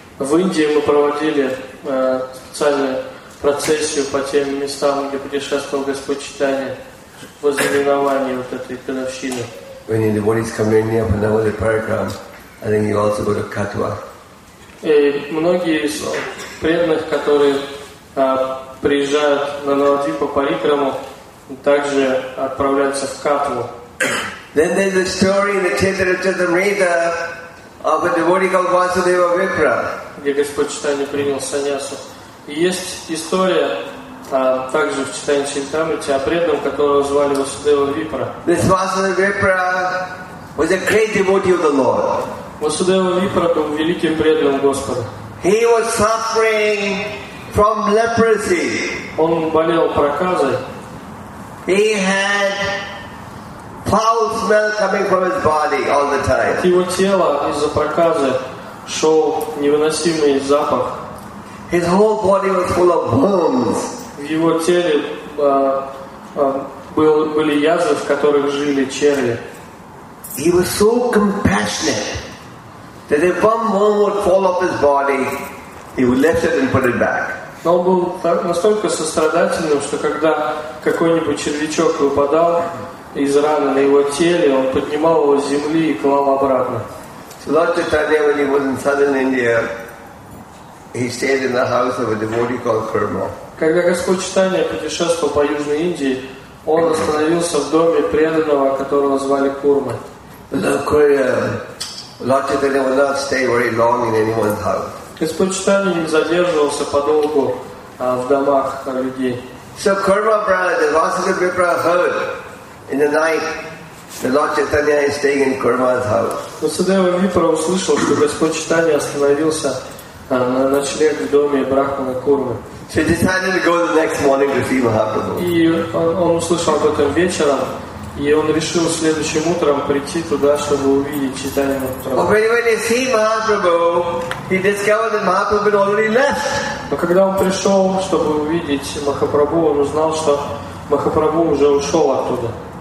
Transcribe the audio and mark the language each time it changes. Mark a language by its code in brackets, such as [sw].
[ru] В Индии мы проводили специальную процессию по тем местам, где путешествовал Господь Чайтанья. [en] When the devotees come to India for Navadvipa Parikram, I think you also go to Katwa. [ru] Многие из преданных, которые приезжают на Навадвипа Парикраму, также отправляются в Катву. [en] Then there's a story in the Chaitanya Charitamrita of a devotee called Vasudeva Vipra. [ru] Где Господь Чайтанья принял саньясу. Есть история. Также в Чайтанья Чаритамрите о преданном, которого звали Васудева Випра. [en] This Vasudeva Vipra was a great devotee of the Lord. [ru] Васудева Випра был великим преданным Господа. [en] He was suffering from leprosy. [ru] Он болел проказой. [en] He had foul smell coming from his body all the time. [ru] От его тела из-за проказы шел невыносимый запах. [en] His whole body was full of worms. [ru] В его теле были язвы, в которых жили черви. [en] He was so compassionate that if one worm would fall off his body, he would lift it and put it back. [ru] Но он был настолько сострадательным, что когда какой-нибудь червячок выпадал из раны на его теле, он поднимал его с земли и клал обратно. [en] So Lord Chaitanya, when he was in southern India, he stayed in the house of a devotee called Kurma. [ru] Когда Господь Чайтанья путешествовал по Южной Индии, он остановился в доме преданного, которого звали Курма. Господь Чайтанья не задерживался подолгу в домах людей. [en] So Kurma brother, the Vasudeva Vipra heard in the night Lord Chaitanya is staying in Kurma's house. [ru] Васудева Митра услышал, что Господь Читания остановился на ночлеге в доме Брахмана Курмы. [en] So he decided to go the next morning to see Mahaprabhu. [ru] И он услышал об этом вечером, и он решил следующим утром прийти туда, чтобы увидеть Читания Махапрабху. [en] But when he saw Mahaprabhu, he discovered that Mahaprabhu had already left. [ru] Но когда он пришел, чтобы увидеть Махапрабху, он узнал, что Махапрабху уже ушел оттуда.